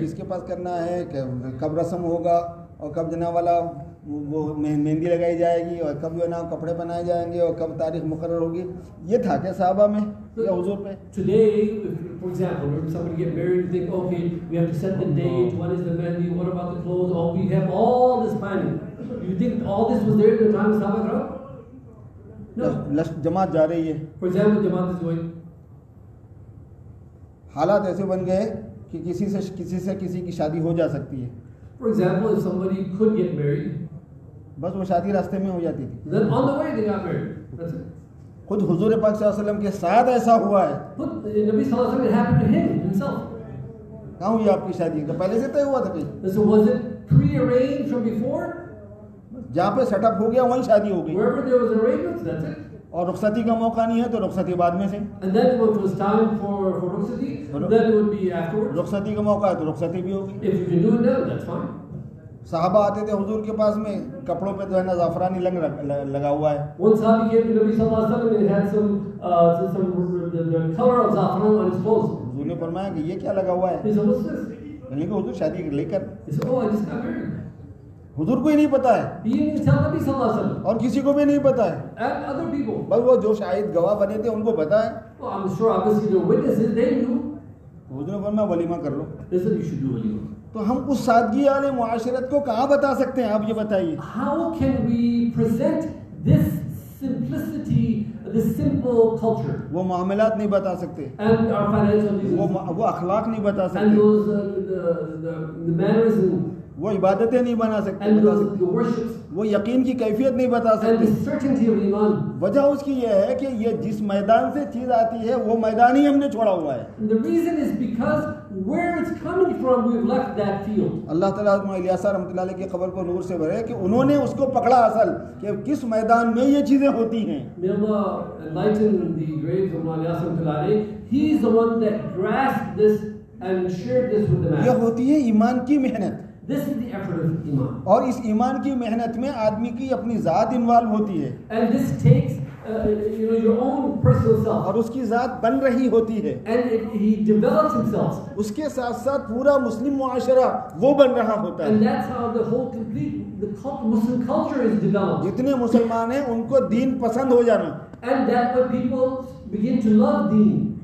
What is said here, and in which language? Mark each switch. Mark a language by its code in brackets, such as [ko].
[hi] किसके पास करना है, कब रस्म होगा और कब जना वाला वो मेहंदी लगाई जाएगी और कब जो ना कपड़े पहनाए जाएंगे और कब तारीख मुकर्रर होगी, ये था क्या सहाबा में या हुजूर में? [en] Today, for example, when somebody get married, you think, okay, we have to set the date, what is the menu, what about the clothes, all we have all this planning. You think all this was there in the time of Sahaba Kiram? [hi] No. जमात जा रही है। [en] For example, जमात is going. [hi] हालात ऐसे बन गए कि किसी से किसी की शादी हो जा सकती है। [en] For example, if somebody could get married, [hi] बस वो शादी रास्ते में हो जाती थी। [en] Then on the way they got married. That's it. [hi] खुद हुजूर पाक सल्लल्लाहु अलैहि वसल्लम के साथ ऐसा हुआ है। [en] खुद नबी सल्लल्लाहु अलैहि वसल्लम, it happened to him himself. [hi] कहाँ हुई आपकी शादी? तो पहले से तय हुआ था कहीं? [en] So was it pre-arranged from before? [hi] जहाँ पे सेटअप हो गया वहीं शादी हो गई। [en] Wherever there was arrangement, that's it. [hi] और रुखसती का मौका नहीं है तो रुखसती बाद में से। [en] And then if it was time for rukhsati, then it would be afterwards. [hi] रुखसती का मौका है तो रुखसती भी होगी। [en] If you can do it now, that's fine. [hi] साहबा आते थे हुजूर के पास में, कपड़ों पे तो है ना जाफरानी लंग लगा हुआ है। [en] One sahabi came to Nabi Sallallahu Alaihi Wasallam and had some the color of zafran on his clothes. [hi] हुजूर ने फरमाया कि ये क्या लगा हुआ है? [en] He said, "What's this?" [hi] हुजूर शादी लेकर। [en] He said, "Oh, I just got married." [hi] हुजूर को ही नहीं पता है। [en] He didn't tell Nabi Sallallahu Alaihi Wasallam. [hi] और किसी को भी नहीं पता है। [en] And other people. [hi] बस वो जो शायद गवाह बने थे उनको पता है। [en] Well, I'm sure obviously the witnesses they knew. [hi] हुजूर ने फरमाया वलीमा कर लो। [en] He said, "You should do वलीमा." [hi] तो हम उस सादगी वाले मुआशरत को कहाँ बता सकते हैं, आप ये बताइए। [en] How can we present this simplicity, this simple culture? [hi] वो मामलात नहीं बता सकते। [en] And our financial [hi] वो अखलाक नहीं बता सकते। [en] And those the mannerisms [hi] वो इबादतें नहीं बना सकते, वो यकीन की कैफियत नहीं बता सकते। वजह उसकी यह है कि ये जिस मैदान से चीज आती है वो मैदान ही हमने छोड़ा हुआ है। The reason is because where it's coming from, we've left that field. अल्लाह ताला इलियासा रहमतुल्लाह अलैह की खबर को नूर से भरे कि उन्होंने उसको पकड़ा असल कि किस मैदान में ये चीजें होती हैं। यह होती है ईमान की मेहनत। [en] This is the effort of iman. [hi] और इस ईमान की मेहनत में आदमी की अपनी जात इन्वॉल्व होती है। [en] And this takes, your own personal self. [hi] और उसकी जात बन रही होती है। [en] And he develops himself. [hi] उसके साथ साथ पूरा मुस्लिम मुआशरा वो बन रहा होता है। [en] And that's how the whole complete the Muslim culture is developed. [hi] जितने मुसलमान हैं उनको दीन पसंद हो जाना। [en] And that the people begin to love deen.